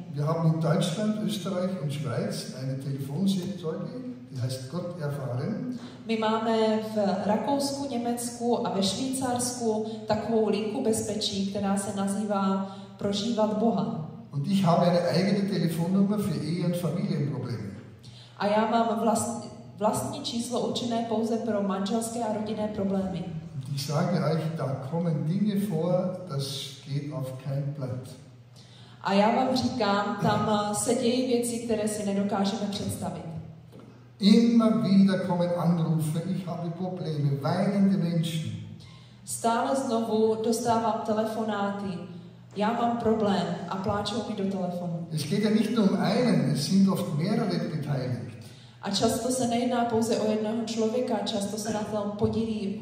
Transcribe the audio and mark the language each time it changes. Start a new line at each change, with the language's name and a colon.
German: Wir haben in Deutschland, Österreich und Schweiz eine Telefonseelsorge, die heißt Gott erfahren.
Czech: My máme v Rakousku, Německu a ve Švýcarsku takovou linku bezpečí, která se nazývá Prožívat Boha.
German: Und ich habe eine eigene Telefonnummer für Ehe- und Familienprobleme.
Czech: A já mám vlastní číslo určené pouze pro manželské a rodinné problémy.
German: Ich sage euch, da kommen Dinge vor, das geht auf kein Blatt.
Czech: A já vám říkám, tam se dějí věci, které si nedokážeme představit.
German: Immer wieder kommen Anrufe, ich habe Probleme, weinende Menschen.
Czech: Stále znovu dostávám telefonáty, já mám problém a pláčou mi do telefonu.
German: Es geht ja nicht nur einen, es sind oft mehrere beteiligt.
Czech: A často se nejedná pouze o jednoho člověka, často se na tom podílí